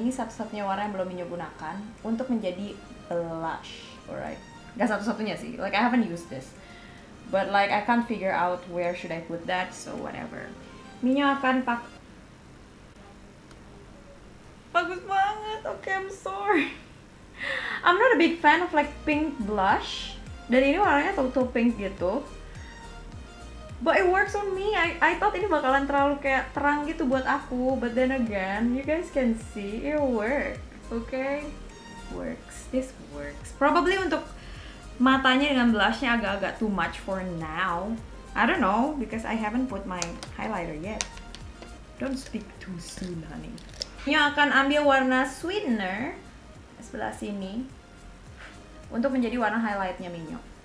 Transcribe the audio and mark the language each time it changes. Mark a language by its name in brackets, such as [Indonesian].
[Indonesian] Ini satu-satunya warna yang belum Minyo gunakan untuk menjadi blush, alright. Gak satu-satunya sih, [English] like I haven't used this, but like I can't figure out where should I put that, so whatever. [Indonesian] Minyo akan pak. Bagus banget, [English] okay, I'm sorry. I'm not a big fan of like pink blush. [Indonesian] Dan ini warnanya total pink gitu. [English] But it works on me. I thought [Indonesian] ini bakalan terlalu kayak terang gitu buat aku. [English] But then again, you guys can see it works. Okay? Works. This works. [Indonesian] Probably untuk matanya dengan blushnya agak-agak [English] too much for now. I don't know, because I haven't put my highlighter yet. Don't speak too soon, honey. [Indonesian] Ini akan ambil warna sweetener sebelah sini untuk menjadi warna highlight-nya Minyo.